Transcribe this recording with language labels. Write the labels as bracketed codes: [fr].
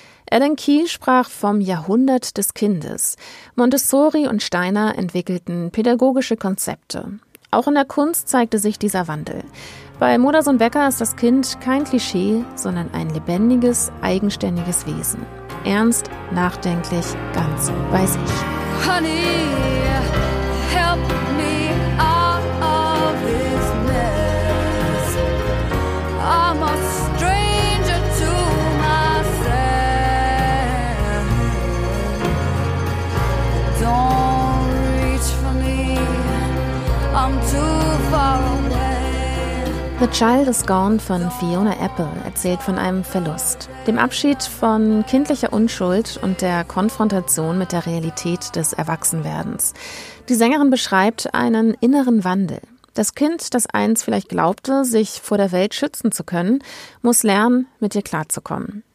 [de] Ellen Key sprach vom Jahrhundert des Kindes. Montessori und Steiner entwickelten pädagogische Konzepte. Auch in der Kunst zeigte sich dieser Wandel. Bei Modersohn-Becker ist das Kind kein Klischee, sondern ein lebendiges, eigenständiges Wesen. Ernst, nachdenklich, ganz bei sich. [en] Honey, help me out of this mess. I'm a stranger to myself. Don't reach for me, I'm too far away. [de] The Child is Gone von Fiona Apple erzählt von einem Verlust, dem Abschied von kindlicher Unschuld und der Konfrontation mit der Realität des Erwachsenwerdens. Die Sängerin beschreibt einen inneren Wandel. Das Kind, das einst vielleicht glaubte, sich vor der Welt schützen zu können, muss lernen, mit ihr klarzukommen.